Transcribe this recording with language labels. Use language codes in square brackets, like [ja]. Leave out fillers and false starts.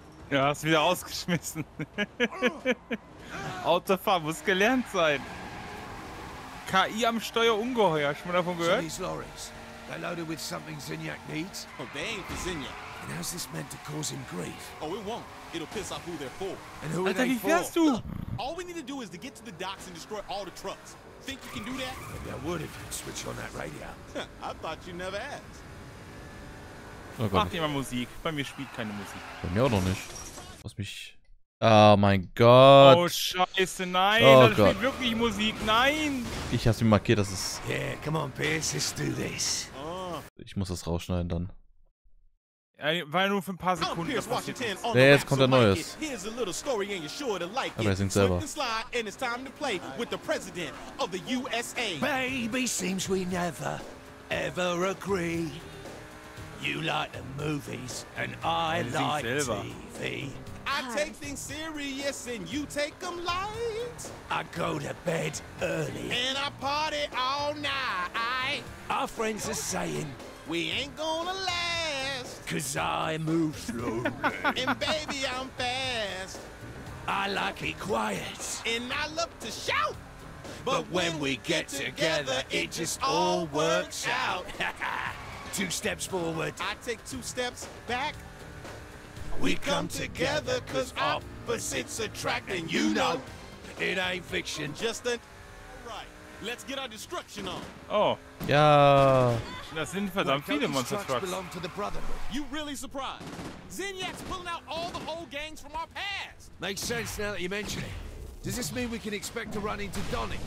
[de] Ja, hast wieder ausgeschmissen. Autofahren muss gelernt sein. KI am Steuer ungeheuer, schon mal davon gehört? [en] So these lorries, they're loaded with something Zinyak needs. Oh, they ain't for Zinyak. And how's this meant to cause him grief? Oh, it won't. It'll piss off who they're for. And who are they for? Look, all we need to do is to get to the docks and destroy all the trucks. Think you can do that? Maybe I would if you'd switch on that radio. I thought you never asked. [de] Oh Gott. Mach dir mal Musik. Bei mir spielt keine Musik. Bei mir auch noch nicht. Lass mich... Oh mein Gott. Oh Scheiße, nein. Oh das Gott. Spielt wirklich Musik. Nein. Ich hab's mir markiert, dass es... [en] Yeah, come on, Pierce. Let's do this. Oh. [de] Ich muss das rausschneiden dann. Weil nur für ein paar Sekunden. Ja, jetzt kommt ein neues. Aber er singt selber. [en] And it's time to play with the president of the USA. Baby, seems we never ever agree. You like the movies and I like TV. I take things serious and you take them light. I go to bed early. And I party all night. Our friends are saying we ain't gonna last. Cause I move slow. And baby, I'm fast. I like it quiet. And I love to shout. But when we get together, it just all works out. Two steps forward. I take two steps back. We come together cause opposites attract. And you know, it ain't fiction. Just a... Right. Let's get our destruction on. Oh. [de] Ja. Das sind verdammt viele Monster Trucks. [en] You really surprised? Zinyak's pulling out all the whole gangs from our past. Makes sense now that you mention it. Does this mean we can expect to run into Donnie?